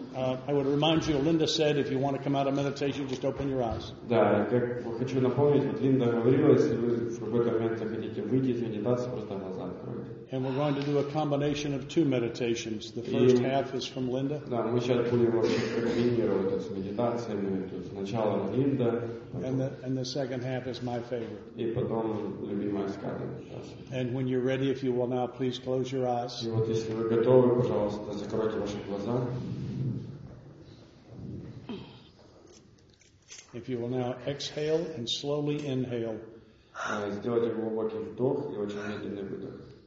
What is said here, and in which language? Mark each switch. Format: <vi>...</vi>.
<en>I would remind you, Linda said, if you want to come out of meditation, just open your eyes.</en> <ru>Да, как хочу напомнить, вот Линда говорила, если вы в какой-то момент хотите выйти из медитации, просто глаза откройте.</ru> <en>And we're going to do a combination of two meditations. The first half is from Linda.</en> <ru>Да, мы сейчас будем вообще комбинировать это с медитациями. То есть сначала Линда.</ru> <en>And the second half is my favorite.</en> <ru>И потом любимая Скарлетт медитация.</ru> <en>And when you're ready, if you will now, please close your eyes.</en> <ru>И вот если вы готовы, пожалуйста, закройте ваши глаза.</ru> <en>If you will now exhale and slowly inhale.</en> <ru>Сделайте глубокий вдох и очень медленный выдох.</ru>